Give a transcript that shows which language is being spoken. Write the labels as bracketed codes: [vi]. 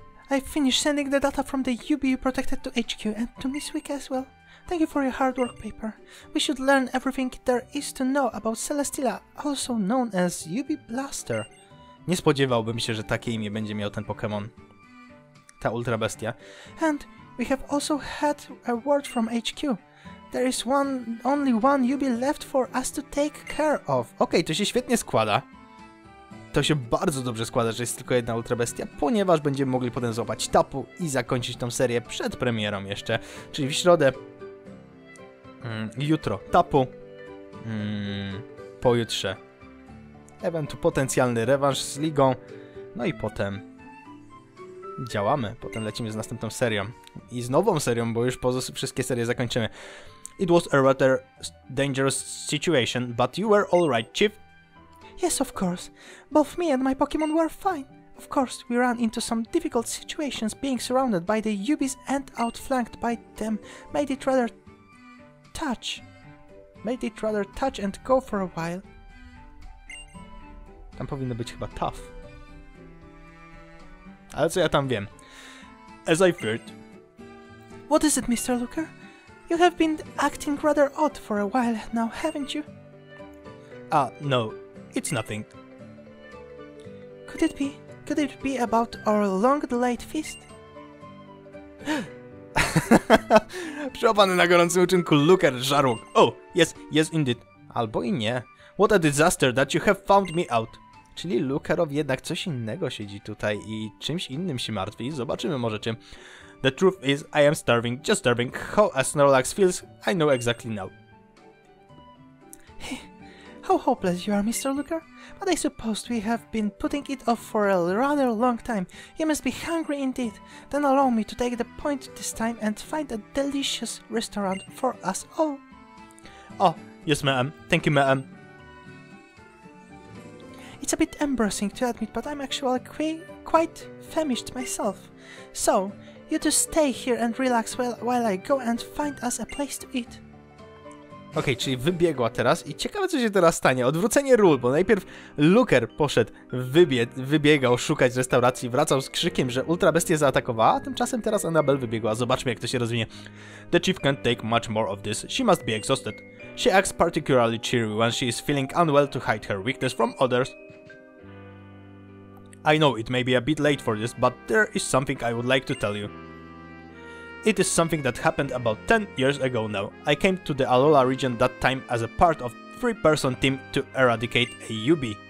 [en] I finished sending the data from the UBU protected to HQ and to Miss Week as well. Thank you for your hard work, paper. We should learn everything there is to know about Celestia, also known as UB Blaster. [pl] Nie spodziewałbym się, że takie imię będzie miał ten Pokémon. Ta Ultra Bestia. [en] And we have also had a word from HQ. There is only one UB left for us to take care of. [pl] Okej, to się świetnie składa. To się bardzo dobrze składa, że jest tylko jedna Ultra Bestia, ponieważ będziemy mogli potem złapać Tapu i zakończyć tą serię przed premierą jeszcze, czyli w środę, jutro Tapu, pojutrze eventu potencjalny rewanż z ligą, no i potem działamy, potem lecimy z następną serią i z nową serią, bo już wszystkie serie zakończymy. [en] It was a rather dangerous situation, but you were alright, Chief. Yes, of course. Both me and my Pokémon were fine. Of course, we ran into some difficult situations being surrounded by the UBs and outflanked by them. Made it rather touch and go for a while. [pl] Tam powinno być chyba tough. Ale co ja tam wiem? [en] As I feared. What is it, Mr. Luker? You have been acting rather odd for a while now, haven't you? Ah, no. It's nothing. Could it be about our long-delayed feast? [pl] Przyłapany na gorącym uczynku Luker żarłok. [en] Oh, yes indeed. [pl] Albo i nie. [en] What a disaster that you have found me out. [pl] Czyli Lukerowi jednak coś innego siedzi tutaj i czymś innym się martwi. Zobaczymy może czym. [en] The truth is, I am starving, just starving. How a Snorlax feels, I know exactly now. How hopeless you are, Mr. Luker. But I suppose we have been putting it off for a rather long time. You must be hungry indeed. Then allow me to take the point this time and find a delicious restaurant for us all. Oh, yes, ma'am. Thank you, ma'am. It's a bit embarrassing to admit, but I'm actually quite famished myself. So, you just stay here and relax while I go and find us a place to eat. [pl] Okej, czyli wybiegła teraz i ciekawe, co się teraz stanie. Odwrócenie ról, bo najpierw Luker poszedł, wybiegał szukać restauracji, wracał z krzykiem, że Ultra Bestia zaatakowała, a tymczasem teraz Annabelle wybiegła. Zobaczmy, jak to się rozwinie. [en] The chief can't take much more of this. She must be exhausted. She acts particularly cheery when she is feeling unwell to hide her weakness from others. I know it may be a bit late for this, but there is something I would like to tell you. It is something that happened about 10 years ago now. I came to the Alola region that time as a part of 3-person team to eradicate a UB.